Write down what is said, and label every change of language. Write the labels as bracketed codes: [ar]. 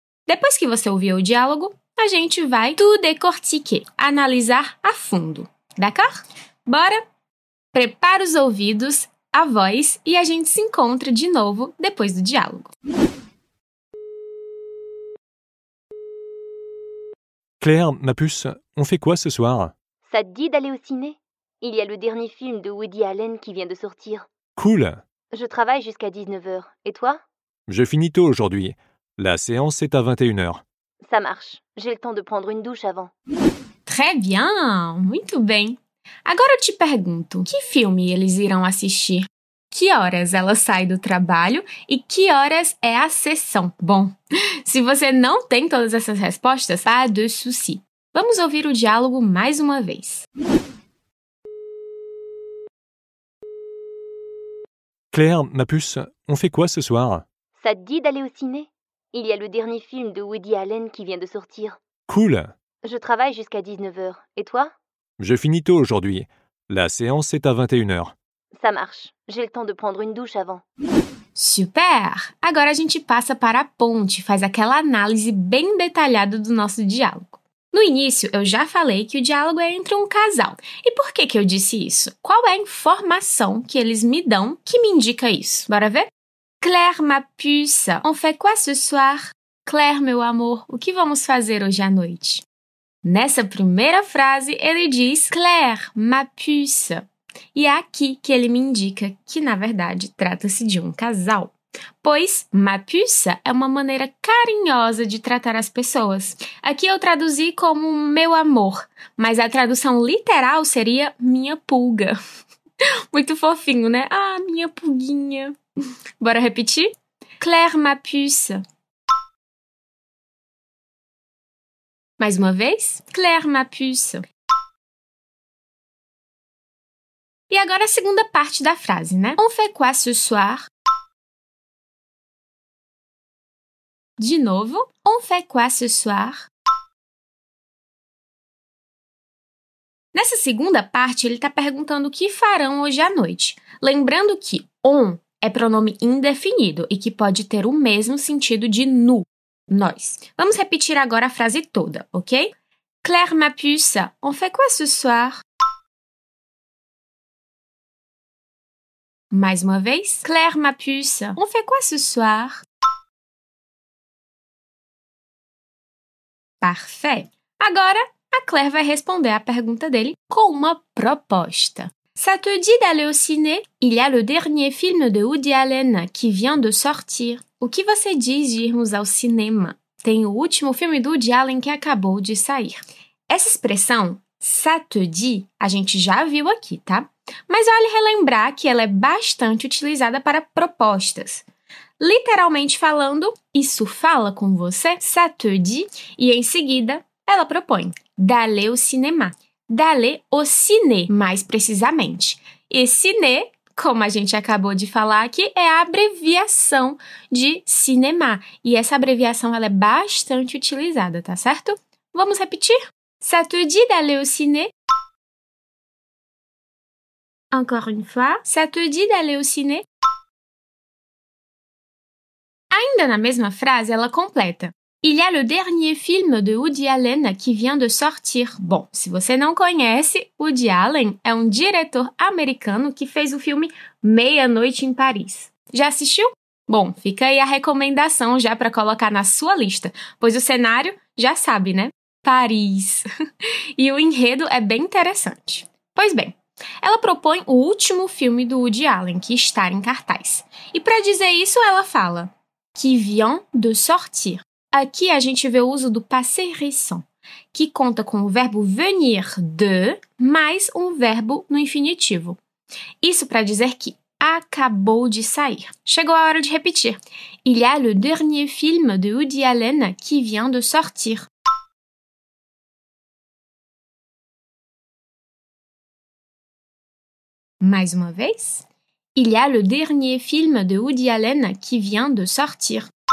[pt] Depois que você ouvir o diálogo, a gente vai [fr] tout décortiquer, [pt] analisar a fundo. [fr] D'accord? [pt] Bora? Prepara os ouvidos, a voz e a gente se encontra de novo depois do diálogo. [fr] Claire, ma puce, on fait quoi ce soir? Ça te dit d'aller au ciné? Il y a le dernier film de Woody Allen qui vient de sortir. Cool. Je travaille jusqu'à 19h. Et toi? Je finis tôt aujourd'hui. La séance est à 21h. Ça marche. J'ai le temps de prendre une douche avant. Très bien. [pt] Muito bem. Agora eu te pergunto, que filme eles irão assistir? Que horas ela sai do trabalho e que horas é a sessão? Bom, se você não tem todas essas respostas, [fr] pas de souci. [pt] Vamos ouvir o diálogo mais uma vez. [fr] Claire, ma puce, on fait quoi ce soir? Ça te dit d'aller au ciné? Il y a le dernier film de Woody Allen qui vient de sortir. Cool. Je travaille jusqu'à 19h. Et toi? Je finis tôt aujourd'hui. La séance est à 21h. Ça marche. J'ai le temps de prendre une douche avant. Super! [pt] Agora a gente passa para a ponte e faz aquela análise bem detalhada do nosso diálogo. No início, eu já falei que o diálogo é entre um casal. E por que eu disse isso? Qual é a informação que eles me dão que me indica isso? Bora ver? [fr] Claire, ma puce, on fait quoi ce soir? [pt] Claire, meu amor, o que vamos fazer hoje à noite? Nessa primeira frase, ele diz Claire, [fr] ma puce. [pt] E é aqui que ele me indica que, na verdade, trata-se de um casal. Pois [fr] ma puce [pt] é uma maneira carinhosa de tratar as pessoas. Aqui eu traduzi como meu amor, mas a tradução literal seria minha pulga. Muito fofinho, né? Ah, minha pulguinha. Bora repetir? [fr] Claire, ma puce. [pt] Mais uma vez, Claire, [fr] ma puce. [pt] E agora a segunda parte da frase, né? [fr] On fait quoi ce soir? [pt] De novo, [fr] on fait quoi ce soir? [pt] Nessa segunda parte, ele está perguntando o que farão hoje à noite. Lembrando que on é é pronome indefinido e que pode ter o mesmo sentido de nous, nós. Vamos repetir agora a frase toda, ok? [fr] Claire, ma puce, on fait quoi ce soir? [pt] Mais uma vez. [fr] Claire, ma puce, on fait quoi ce soir? Parfait. [pt] Agora, a Claire vai responder a pergunta dele com uma proposta. [fr] Ça te dit d'aller au ciné? Il y a le dernier film de Woody Allen qui vient de sortir. [pt] O que você diz de irmos ao cinema? Tem o último filme do Woody Allen que acabou de sair. Essa expressão, [fr] ça te dit, [pt] a gente já viu aqui, tá? Mas vale relembrar que ela é bastante utilizada para propostas. Literalmente falando, isso fala com você, [fr] ça te dit, [pt] e em seguida, ela propõe, [fr] d'aller au cinéma. D'aller au ciné, [pt] mais precisamente. E ciné, como a gente acabou de falar aqui, é a abreviação de cinéma. E essa abreviação ela é bastante utilizada, tá certo? Vamos repetir? [fr] Ça te dit d'aller au ciné? Encore une fois, ça te dit d'aller au ciné? [pt] Ainda na mesma frase, ela completa. [fr] Il y a le dernier film de Woody Allen qui vient de sortir. [pt] Bom, se você não conhece, Woody Allen é um diretor americano que fez o filme Meia-Noite em Paris. Já assistiu? Bom, fica aí a recomendação já para colocar na sua lista, pois o cenário já sabe, né? Paris. E o enredo é bem interessante. Pois bem, ela propõe o último filme do Woody Allen, que está em cartaz. E para dizer isso, ela fala [fr] qui vient de sortir. [pt] Aqui a gente vê o uso do passé récent, que conta com o verbo venir de mais um verbo no infinitivo. Isso para dizer que acabou de sair. Chegou a hora de repetir. [fr] Il y a le dernier film de Woody Allen qui vient de sortir. [pt] Mais uma vez. [fr] Il y a le dernier film de Woody Allen qui vient de sortir.